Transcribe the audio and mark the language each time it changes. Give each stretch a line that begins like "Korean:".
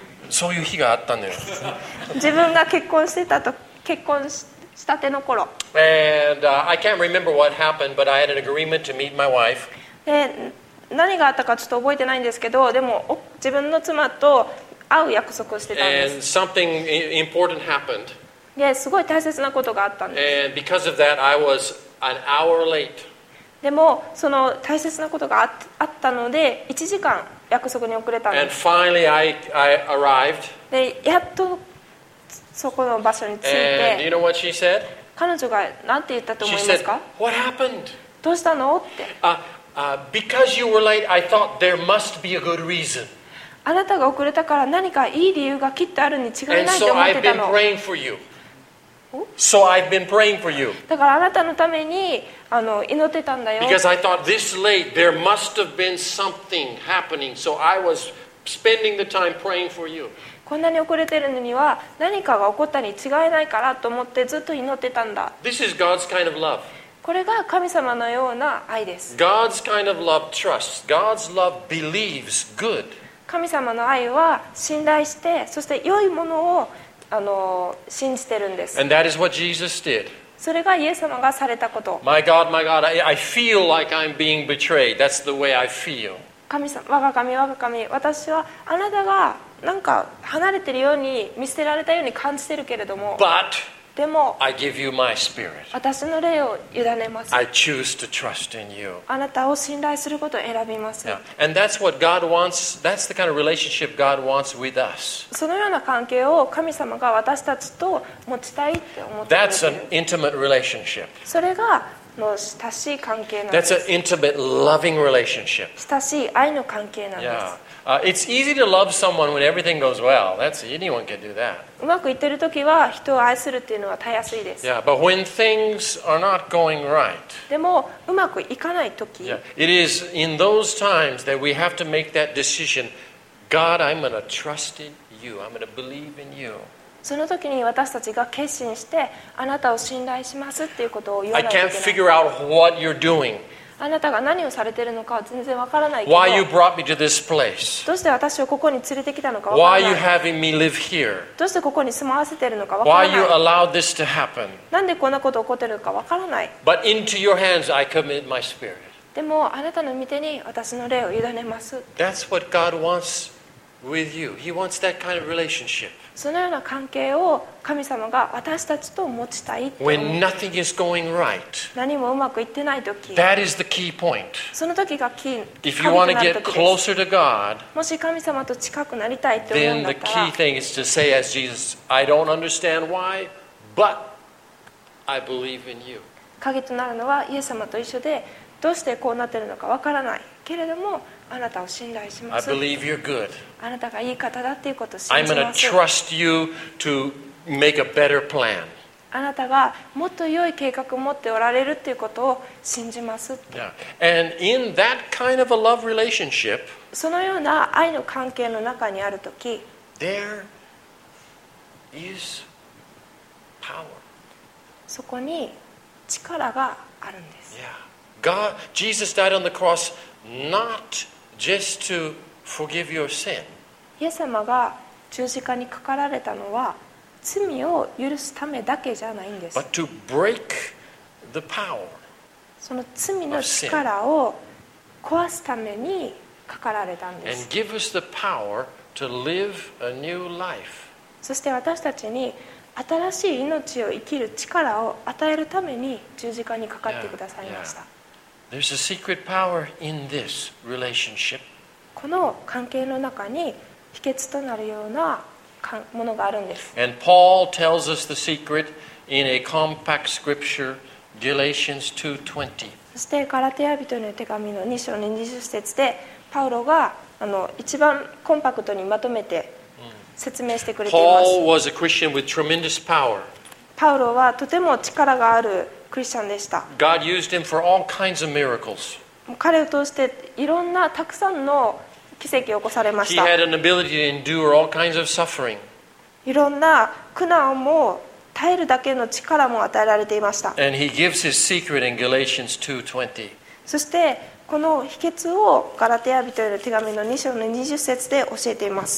Japanese: そういう日があったんだよ。自分が結婚してたと結婚したての頃。
English: And、I can't remember what happened, but I had an agreement to meet my wife.
Japanese: 何があったかちょっと覚えてないんですけど、でも自分の妻と会う約束をしてたんです。
English: And something important happened.
Japanese: すごい大切なことがあったんです。
English: And because of that, I was an hour late.
Japanese: でもその大切なことがあったので1時間約束に遅れたんです
English: And finally I arrived.
Japanese: でやっとそこの場所に着いて
English: And you know what she said?
Japanese: 彼女が何て言ったと思いますか
English: She said, What happened?
Japanese: どうしたのって
English: Because you were late, I thought there must be a good reason.
Japanese: あなたが遅れたから何かいい理由がきっとあるに違いないと思ってたの
English: And so I've been praying for you. So I've been praying for you.
Japanese: だからあなたのためにあの祈ってたんだよ。
English: Because I thought this late there must have been something happening, so I was spending the time praying for you.
Japanese: こんなに遅れてるのには何かが起こったに違いないからと思ってずっと祈ってたんだ。
English: This is God's kind of love.
Japanese: これが神様のような愛です。
English: God's kind of love trusts. God's love believes good.
Japanese: 神様の愛は信頼してそして良いものを信じてるんです。
English: And that is what Jesus did.
Japanese: それがイエス様がされたこと。
English: My God, my God, I feel like I'm being betrayed. That's the way I feel.
Japanese: 神様、我が神、我が神、私はあなたがなんか離れてるように見捨てられたように感じてるけれども。
English: But
Japanese: でも、
English: I give you my spirit.
Japanese: 私の霊を委ねます。
English: I choose to trust in you.
Japanese: あなたを信頼することを選びます。
English: Yeah. And that's what God wants. That's the kind of relationship God wants with us.
Japanese: そのような関係を神様が私たちと持ちたいって思っている。
English: That's an intimate relationship.
Japanese: それがの親しい関係なんです。
English: That's an intimate loving relationship.
Japanese: 親しい愛の関係なんです。
English: Yeah. It's easy to love someone when everything goes well. That's anyone can do that.
Japanese: うまくいってるときは人を愛するっていうのはたやすいです。
English: Yeah, but when things are not going right.
Japanese: でもうまくいかないとき。
English: Yeah, it is in those times that we have to make that decision. God, I'm going to trust in you. I'm going to believe in you.
Japanese: そのときに私たちが決心してあなたを信頼しますっていうことを言わないといけない。
English: I can't figure out what you're doing.
Japanese: あなたが何をされているのかは全然わからないけど
English: Why you brought me to this place?
Japanese: どうして私をここに連れてきたのかわからない
English: Why you having me live here?
Japanese: どうしてここに住まわせているのかわからない
English: Why you allowed this to happen?
Japanese: なんでこんなこと起こっているのかわからない
English: But into your hands I commit my spirit.
Japanese: でもあなたの御手に私の霊を委ねます
English: That's what God wants with you. He wants that kind of relationship.
Japanese: そのような関係を神様が私たちと持ちたいって思って
English: When nothing is going right,
Japanese: 何もうまくいってない時
English: that is the key point.
Japanese: その時がキーポイント。
English: If you want to get closer to God,
Japanese: もし神様と近くなりたいって思うんだったら
English: then the key thing is to say as Jesus, I don't understand why, but I believe in you.
Japanese: 鍵となるのはイエス様と一緒でどうしてこうなってるのかわからないけれどもあなたを信頼します。
English: I believe you're good.
Japanese: あなたがいい方だっていうことを信じます。
English: I'm going to trust you to make a better plan.
Japanese: あなたがもっと良い計画を持っておられるっていうことを信じます。
English: Yeah. And in that kind of a love relationship,
Japanese: そのような愛の関係の中にあるとき、
English: there is power.
Japanese: そこに力があるんです。
English: Yeah. God, Jesus died on the cross not just to forgive your sin.
Japanese: イエス様が十字架にかかられたのは罪を許すためだけじゃないんです。
English: But to break the power of sin.
Japanese: その罪の力を壊すためにかかられたんです。
English: And give us the power to live a new life.
Japanese: そして私たちに新しい命を生きる力を与えるために十字架にかかってくださいました。
English: There's a secret power in this relationship.
Japanese: この関係の中に秘訣となるようなものがあるんです。
English: And Paul tells us the secret in a compact scripture, Galatians 2:20.
Japanese: そしてガラテヤ人の手紙の2章の20節でパウロが一番コンパクトにまとめて説明してくれています。
English: Paul was a Christian with tremendous power.
Japanese: パウロはとても力があるクリスチャンでした。
English: God used him for all kinds of miracles.
Japanese: 彼を通していろんなたくさんの奇跡を起こされました。
English: He had an ability to endure all kinds of suffering.
Japanese: いろんな苦難も耐えるだけの力も与えられていました。
English: And he gives his secret in Galatians 2:20.
Japanese: そしてこの秘訣をガラテヤ人への手紙の2章の20節で教えています。